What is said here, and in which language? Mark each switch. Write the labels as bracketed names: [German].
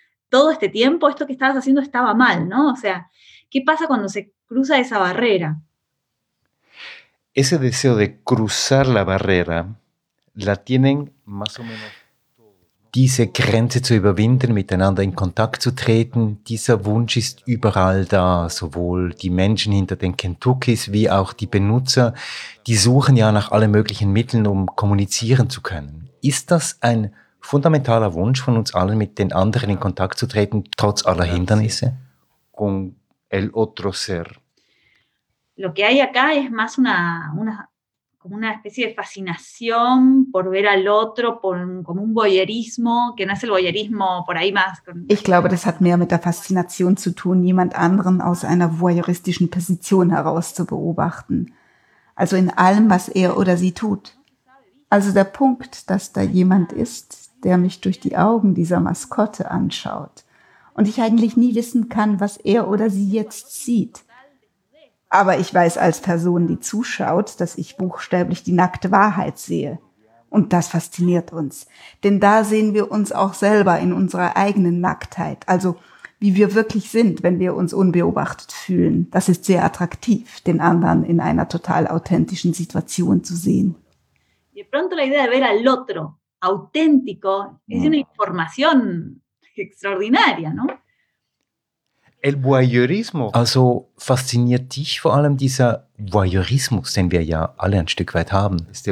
[Spanish] Todo este tiempo, esto que estabas haciendo estaba mal, ¿no? O sea, ¿qué pasa cuando se cruza esa barrera? Ese deseo de cruzar la barrera, la tienen más o menos. [German] Diese Grenze zu überwinden, miteinander in Kontakt zu treten, dieser Wunsch ist überall da, sowohl die Menschen hinter den Kentuckys wie auch die Benutzer, die suchen ja nach allen möglichen Mitteln, um kommunizieren zu können. Ist das ein fundamentaler Wunsch von uns allen, mit den anderen in Kontakt zu treten, trotz aller Hindernisse? [Spanish] Con el otro ser. Lo que hay acá es más una especie de fascinación por ver al otro, como un voyeurismo, que no es el voyeurismo por ahí más. [German] Ich glaube, das hat mehr mit der Faszination zu tun, jemand anderen aus einer voyeuristischen Position heraus zu beobachten. Also in allem, was er oder sie tut. Also der Punkt, dass da jemand ist, der mich durch die Augen dieser Maskotte anschaut und ich eigentlich nie wissen kann, was er oder sie jetzt sieht. Aber ich weiß als Person, die zuschaut, dass ich buchstäblich die nackte Wahrheit sehe. Und das fasziniert uns. Denn da sehen wir uns auch selber in unserer eigenen Nacktheit. Also wie wir wirklich sind, wenn wir uns unbeobachtet fühlen. Das ist sehr attraktiv, den anderen in einer total authentischen Situation zu sehen. [Spanish] De pronto la idea de ver al otro auténtico es una información extraordinaria, ¿no? El voyeurismo. [German] Also fasziniert dich vor allem dieser Voyeurismus, den wir ja alle ein Stück weit haben.